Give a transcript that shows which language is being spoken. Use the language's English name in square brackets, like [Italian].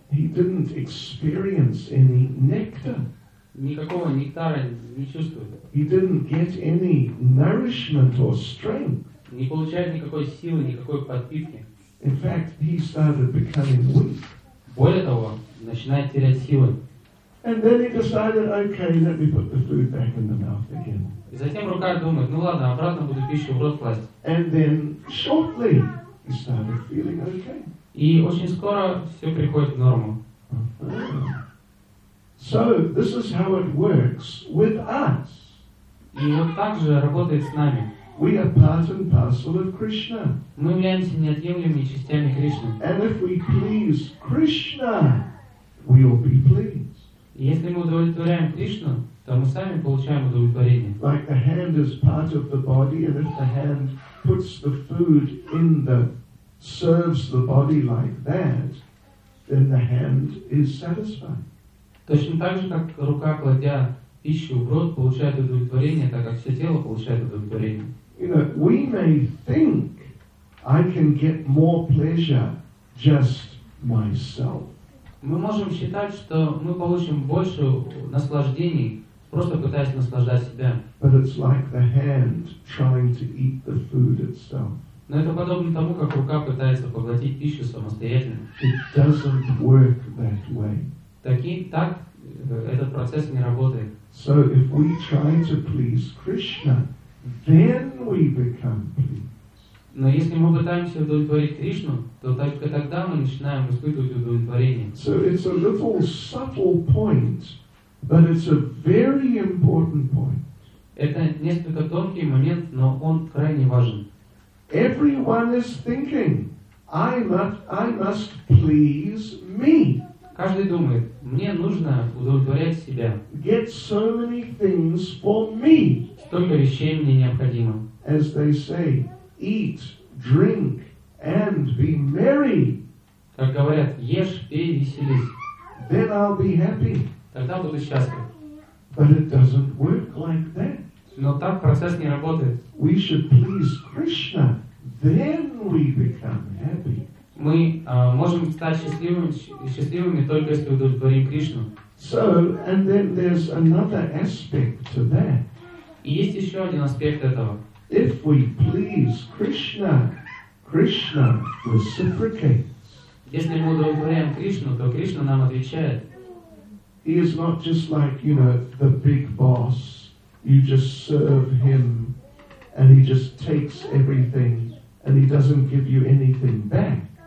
[English] He didn't experience any nectar. [Russian] Никакого нектара не чувствует. [English] He didn't get any nourishment or strength. [Russian] Не получает никакой силы, никакой подпитки. [English] In fact, he started becoming weak. [Russian] Более того, начинает терять силы. [English] And then he decided, okay, let me put the food back in the mouth again. [Russian] И затем рука думает, ну ладно, обратно буду пищу в рот класть. [English] And then shortly he started feeling okay. [Russian] И очень скоро все приходит в норму. [English] So this is how it works with us. [Russian] И вот так же работает с нами. [English] We are part and parcel of Krishna. [Russian] Мы являемся неотъемлемыми частями Кришны. [English] And if we please Krishna, we will be pleased. [Russian] Если мы удовлетворяем Кришну, то мы сами получаем удовлетворение. [English] Like the hand is part of the body, and if the hand puts the food in the serves the body like that, then the hand is satisfied. [Russian] Точно так же, как рука, кладя пищу в рот, получает удовлетворение, так как все тело получает удовлетворение. [English] You know, we may think I can get more pleasure just myself. [Russian] Мы можем считать, что мы получим больше наслаждений, просто пытаясь наслаждать себя. [English] But it's like the hand trying to eat the food itself. [Russian] Но это подобно тому, как рука пытается поглотить пищу самостоятельно. [English] It doesn't work that way. [Russian] Так этот процесс не работает. [English] So if we try to please Krishna, then we become pleased. [Russian] Но если мы пытаемся удовлетворить Кришну, то только тогда мы начинаем испытывать удовлетворение. [English] So it's a little subtle point, but it's a very important point. [Russian] Это несколько тонкий момент, но он крайне важен. [English] Everyone is thinking, I must please me. [Russian] Каждый думает, мне нужно удовлетворять себя. [English] Get so many things for me. [Russian] Столько вещей мне необходимо. [English] As they say, eat, drink, and be merry. [Russian] Как говорят, ешь, пей, веселись. [English] Then I'll be happy. [Russian] Тогда буду счастлив. [English] But it doesn't work like that. [Russian] Но так процесс не работает. [English] We should please Krishna, then we become happy. [Russian] Мы можем стать счастливыми только если удовлетворим Кришну. [English] So, and then there's another aspect to that. [Russian] И есть еще один аспект этого. [English] If we please Krishna, Krishna reciprocates. [Russian] Если мы удовлетворяем Кришну, то Кришна нам отвечает. [English] He is not just like, you know, the big boss. You just serve him, and he just takes everything, and he doesn't give you anything back.